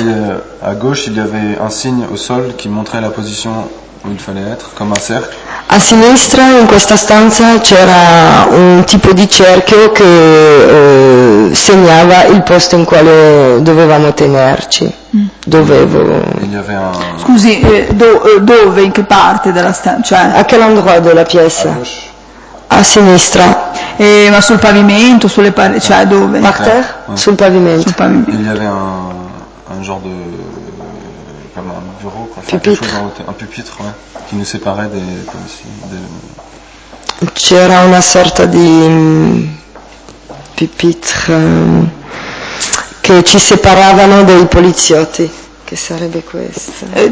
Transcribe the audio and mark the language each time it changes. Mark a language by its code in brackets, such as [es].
[fr] aller à gauche, il y avait un signe au sol qui montrait la position où il fallait être, comme un cercle. [it] A sinistra, in questa stanza, c'era un tipo di cerchio che segnava il posto in quale dovevamo tenerci, dovevo. [fr] Il y avait un... [it] Scusi, dove, in che parte della stanza? [fr] A quel endroit [it] della [fr] pièce? A gauche. [it] sinistra. Ma sul pavimento, sulle pareti, cioè dove? [fr] Par terre? Ouais. [it] Sul pavimento. [fr] Il y avait un genre comme un bureau, quoi. Enfin, quelque chose Pupitre. en hauteur, un pupitre, ouais, qui nous séparait des, comme si, des... [it] C'era una sorta di pupitre che ci separavano dai poliziotti, che sarebbe questo.